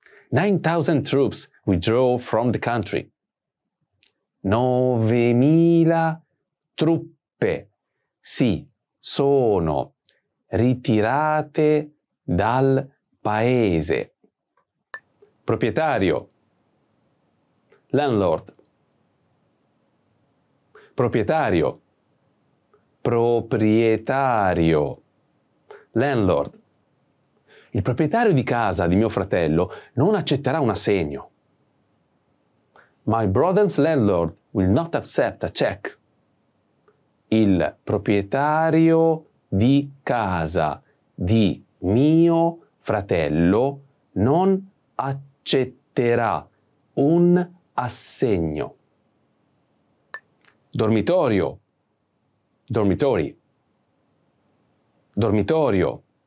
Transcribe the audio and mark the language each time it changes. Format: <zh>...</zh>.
<en>9,000 troops withdrew from the country.</en> <it>9,000 truppe si sono ritirate dal paese. Proprietario.</it> <en>Landlord.</en> <it>Proprietario. Proprietario.</it> <en>Landlord.</en> <it>Il proprietario di casa di mio fratello non accetterà un assegno.</it> <en>My brother's landlord will not accept a check.</en> <it>Il proprietario di casa di mio fratello non accetterà un assegno. Dormitorio. Dormitori. Dormitorio.</it>